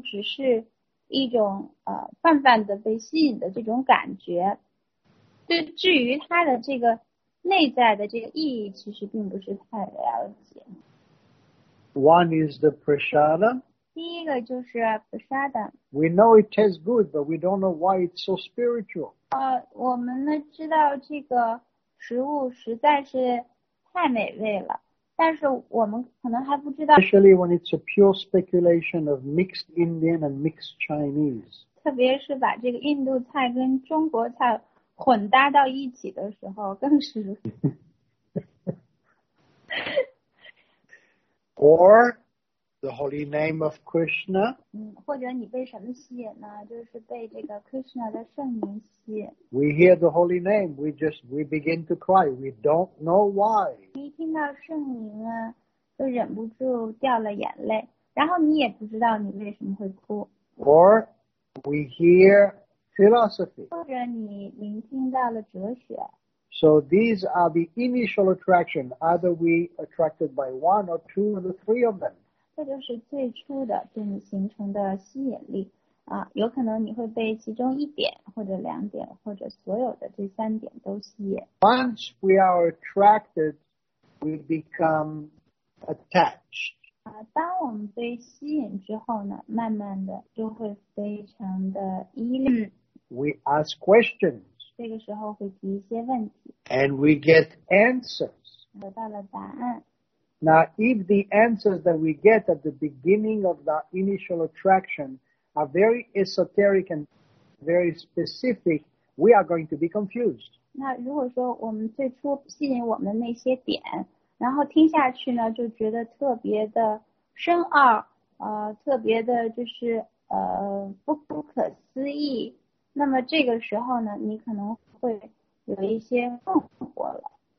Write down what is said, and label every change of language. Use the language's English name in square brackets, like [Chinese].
[Chinese] 就是这三点呢，都是这些三个吸引力点都是灵性的，但是我们只是一种泛泛的被吸引的这种感觉。 至于它的这个内在的这个意义其实并不是太了解。 [English] One is the prasada. [Chinese] 第一个就是 prasada. [English] We know it tastes good, but we don't know why it's so spiritual. [Chinese] 我们呢知道这个食物实在是太美味了。但是我们可能还不知道 [English] Especially when it's a pure speculation of mixed Indian and mixed Chinese. [Chinese] 特别是把这个印度菜跟中国菜混搭到一起的时候更是 [English] Or the holy name of Krishna. [Chinese] 或者你被什么吸引呢就是被这个 Krishna 的圣名吸引。 [English] We hear the holy name, we begin to cry, we don't know why. [Chinese] 你听到圣名啊就忍不住掉了眼泪然后你也不知道你为什么会哭。 [English] Or we hear philosophy. [Chinese] 或者你聆听到了哲学。 [English] So these are the initial attraction, either we attracted by one or two or the three of them. [Chinese] 这就是最初的对你形成的吸引力啊，有可能你会被其中一点或者两点或者所有的这三点都吸引。 [English] Once we are attracted, we become attached. [Chinese] 啊，当我们被吸引之后呢，慢慢的就会非常的依恋。 [English] We ask questions. [Chinese] 这个时候会提一些问题。 [English] And we get answers. [Chinese] 得到了答案。 [English] Now, if the answers that we get at the beginning of the initial attraction are very esoteric and very specific, we are going to be confused. [Chinese] 那如果说我们最初吸引我们那些点，然后听下去呢，就觉得特别的深奥，特别的就是不可思议。那么这个时候呢，你可能会有一些困惑了。